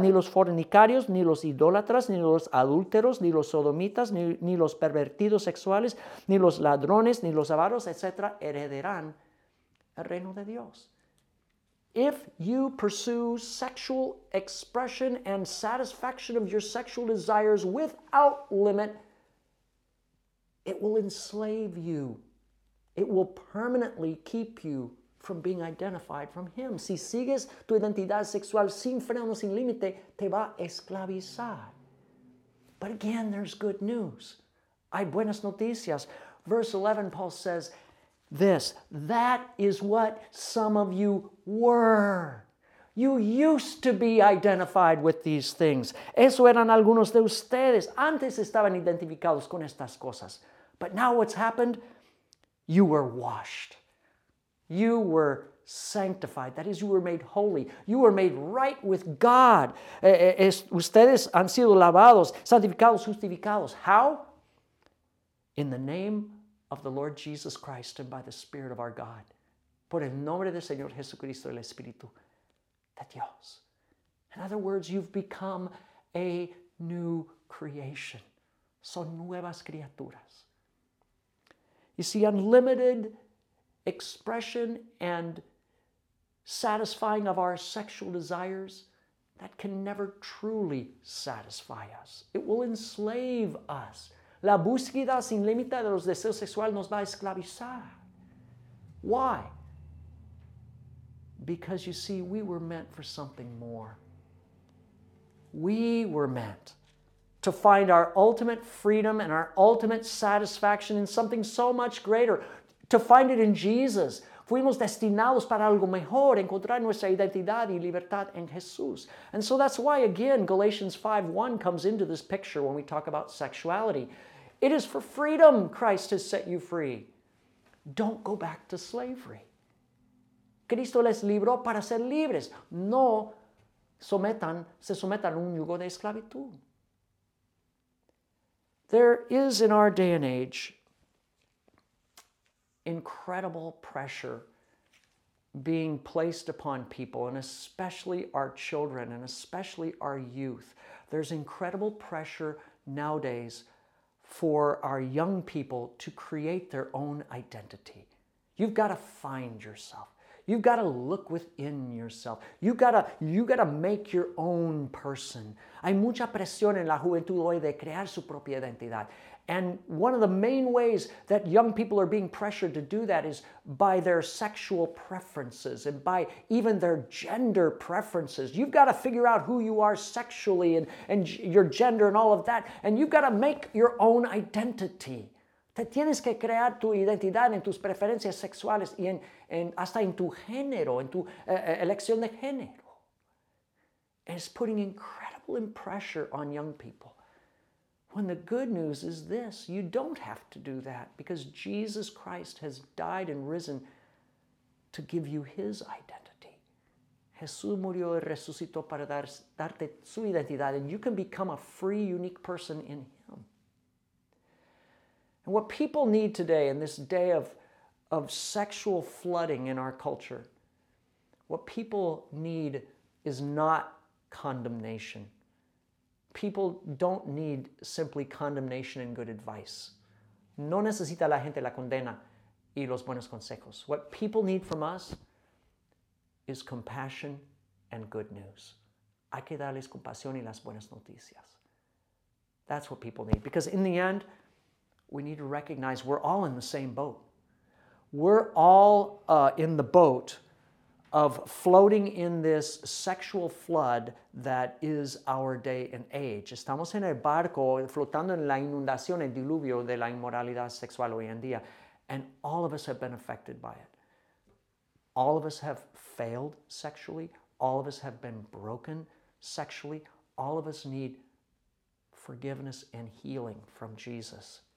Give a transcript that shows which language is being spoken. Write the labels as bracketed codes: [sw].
[es] Ni los fornicarios, ni los idólatras, ni los adúlteros, ni los sodomitas, ni los pervertidos sexuales, ni los ladrones, ni los avaros, etc., heredarán el reino de Dios. [en] If you pursue sexual expression and satisfaction of your sexual desires without limit, it will enslave you. It will permanently keep you from being identified from Him. [es] Si sigues tu identidad sexual sin freno, sin límite, te va a esclavizar. [en] But again, there's good news. [es] Hay buenas noticias. [en] Verse 11, Paul says this, that is what some of you were. You used to be identified with these things. [es] Eso eran algunos de ustedes. Antes estaban identificados con estas cosas. [en] But now what's happened? You were washed. You were sanctified. That is, you were made holy. You were made right with God. [es] Ustedes han sido lavados, santificados, justificados. [en] How? In the name of the Lord Jesus Christ and by the Spirit of our God. [es] Por el nombre del Señor Jesucristo, el Espíritu de Dios. [en] In other words, you've become a new creation. [es] Son nuevas criaturas. [en] You see, unlimited expression and satisfying of our sexual desires, that can never truly satisfy us. It will enslave us. [es] La búsqueda sin límite de los deseos sexuales nos va a esclavizar. [en] Why? Because, you see, we were meant for something more. We were meant to find our ultimate freedom and our ultimate satisfaction in something so much greater, to find it in Jesus. [es] Fuimos destinados para algo mejor, encontrar nuestra identidad y libertad en Jesús. [en] And so that's why, again, Galatians 5:1 comes into this picture when we talk about sexuality. It is for freedom Christ has set you free. Don't go back to slavery. [es] Cristo les libró para ser libres. No se sometan a un yugo de esclavitud. [en] There is, in our day and age, incredible pressure being placed upon people, and especially our children, and especially our youth. There's incredible pressure nowadays for our young people to create their own identity. You've got to find yourself. You've got to look within yourself. You've got to make your own person. [es] Hay mucha presión en la juventud hoy de crear su propia identidad. [en] And one of the main ways that young people are being pressured to do that is by their sexual preferences and by even their gender preferences. You've got to figure out who you are sexually and your gender and all of that. And you've got to make your own identity. [es] Te tienes que crear tu identidad en tus preferencias sexuales y en hasta en tu género, en tu elección de género. [en] And it's putting incredible pressure on young people. When the good news is this, you don't have to do that because Jesus Christ has died and risen to give you His identity. [es] Jesús murió y resucitó para darte su identidad, [en] and you can become a free, unique person in Him. And what people need today in this day of sexual flooding in our culture, what people need is not condemnation. People don't need simply condemnation and good advice. [es] No necesita la gente la condena y los buenos consejos. [en] What people need from us is compassion and good news. [es] Hay que darles compasión y las buenas noticias. [en] That's what people need. Because in the end, we need to recognize we're all in the same boat. We're all in the boat of floating in this sexual flood that is our day and age. [es] Estamos en el barco flotando en la inundación, el diluvio de la inmoralidad sexual hoy en día. [en] And all of us have been affected by it. All of us have failed sexually. All of us have been broken sexually. All of us need forgiveness and healing from Jesus.